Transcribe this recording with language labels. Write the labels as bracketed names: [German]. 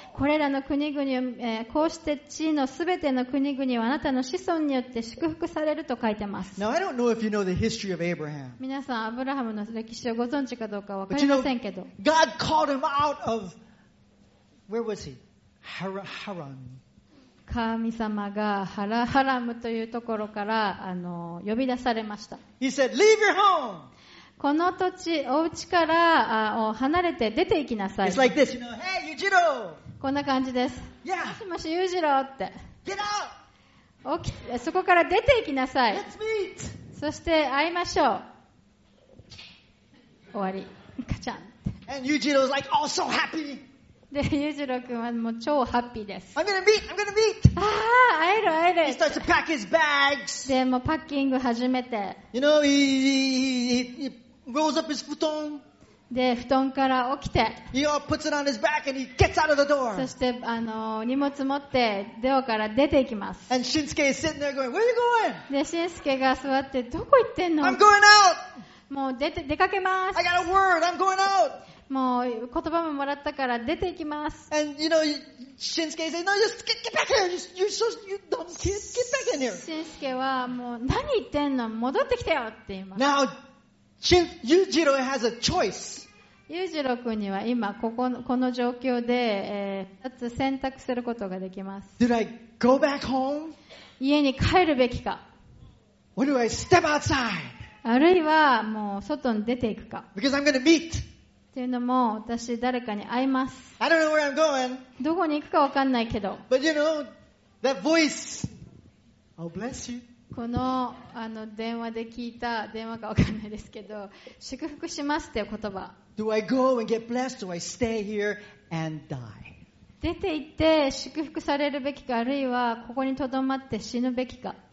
[Japanese] これらの国々、こうして地のすべての国々はあなたの子孫によって祝福されると書いてます。 [English] Now, I don't know if you know the history of Abraham. [Japanese] 皆さん、アブラハムの歴史をご存知かどうかわかりませんけど。 [English] But you know, God called him out of, where was he? Haran. [Japanese] 神様がハラムというところから、呼び出されました。 [English] He said, leave your home! [Japanese] この土地、お家から離れて出て行きなさい。 [English] It's like this, you know, hey, Yujiro! [Japanese] こんな感じです。 [English] Yeah. [Japanese] もしもし、Yujiroって。 [English] Get out! [Japanese] 起きて、そこから出て行きなさい。 [English] Let's meet! [Japanese] そして会いましょう。終わり。カチャン。 [English] And Yujiro's like, oh, so happy! [Japanese] で、Yujiro君はもう超ハッピーです。 [English] I'm gonna meet! [Japanese] ああ、会える会える。 [English] He starts to pack his bags. [Japanese] で、もうパッキング始めて。 [English] You know, he rolls up his 布団。 [Japanese] で、布団から起きて。 [English] He all puts it on his back and he gets out of the door. [Japanese] そして、荷物持って、ドアから出ていきます。 [English] And Shinsuke is sitting there going, where are you going? [Japanese] で、Shinsuke が座って、どこ行ってんの [English] ?I'm going out! [Japanese] もう出かけます。 [English] I got a word, I'm going out! [Japanese] もう言葉ももらったから出て行きます。 [English] And you know, Shinsuke says, no, just get back here! You don't get back in here! [Japanese] Shinsuke はもう何言ってんの戻ってきてよって言います。 [English] Now, Yujiro has a choice. [Japanese] Yujiro君には今この状況で、2つ選択することができます。 [English] Did I go back home? [Japanese] 家に帰るべきか。 [English] Or do I step outside? [Japanese] あるいはもう外に出ていくか。 [English] Because I'm gonna meet! [Japanese] っていうのも私誰かに会います。 [English] I don't know where I'm going, [Japanese] どこに行くか分かんないけど、 [English] but you know, that voice, I'll bless you. [Japanese] この、 電話で聞いた電話か分かんないですけど、祝福しますって言葉。 [English] Do I go and get blessed? Do I stay here and die? [Japanese] 出て行って祝福されるべきか、あるいはここに留まって死ぬべきか。